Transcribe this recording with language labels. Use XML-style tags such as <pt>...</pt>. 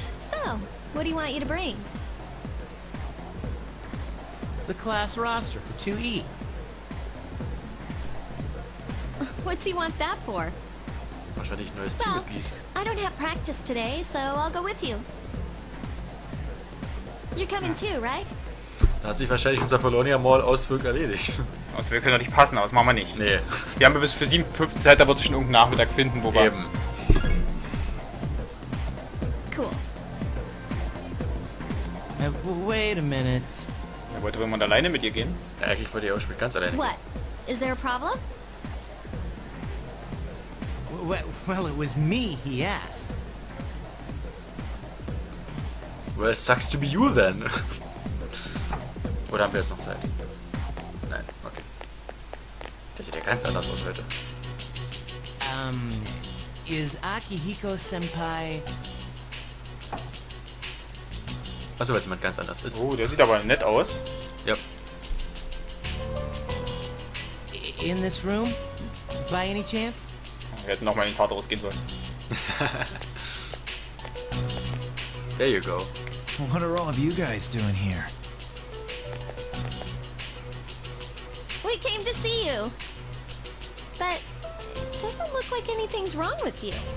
<en>So, what do you want you to bring? The class roster for 2E. What's he want that for?</en> <de>Wahrscheinlich neues Teammitglied.</de> <en>Well, I don't have practice today, so I'll go with you. You're coming too, right?</en> <de>Da hat sich wahrscheinlich unser Polonia Mall Ausflug erledigt. Also wir können doch nicht passen, aber das machen wir nicht. Nee. Wir haben bis für 7:15 Zeit, da wird sich schon irgendein Nachmittag finden, wo Eben. Wir...</de> <en>wait a minute.</en> <de>Ja, wollte jemand alleine mit ihr gehen? Eigentlich wollte ich auch später ganz alleine</de> <en>gehen. What? Is there a problem? Well, it was me he asked. Well, it sucks to be you then.</en> <de>Oder haben wir jetzt noch Zeit? Nein, okay. Der sieht ja ganz anders aus heute.</de> <en>Is Akihiko-senpai...</en> <de>Achso, weil es jemand ganz anders ist. Oh, der sieht aber nett aus. Ja.</de> <en>In this room? By any chance?</en> <de>Wir hätten nochmal in den Tartarus gehen sollen.</de> <en>There you go. What are all of you guys doing here? We came to see you. But it doesn't look like anything's wrong with you.</en>